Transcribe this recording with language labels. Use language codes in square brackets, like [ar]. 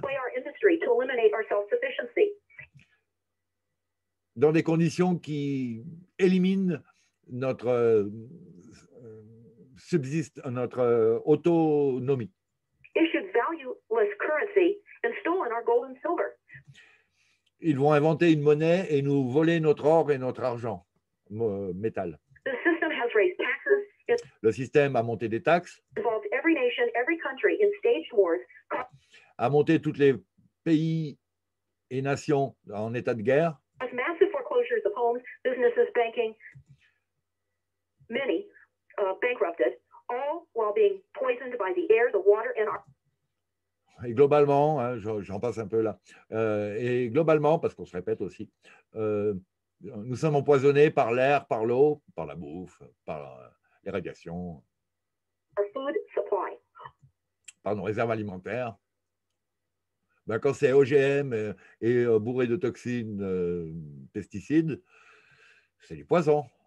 [en] By our industry to eliminate our self-sufficiency. [fr] Dans des conditions qui éliminent notre subsiste, notre autonomie. [en] Issued valueless currency and stolen our gold and silver. [fr] Ils vont inventer une monnaie et nous voler notre or et notre argent métal. [en] The system has raised taxes. [fr] Le système a monté des taxes. [en] Involved every nation, every country in staged wars. [fr] A monté tous les pays et nations en état de guerre. [en] With massive foreclosures of homes, businesses, banking, many bankrupted, all while being poisoned by the air, the water, and our. [fr] Et globalement, hein, j'en passe un peu là, et globalement, parce qu'on se répète aussi, nous sommes empoisonnés par l'air, par l'eau, par la bouffe, par les radiations, [en] our food supply. [fr] Par nos réserves alimentaires. Ben, quand c'est OGM et bourré de toxines, pesticides, c'est du poison.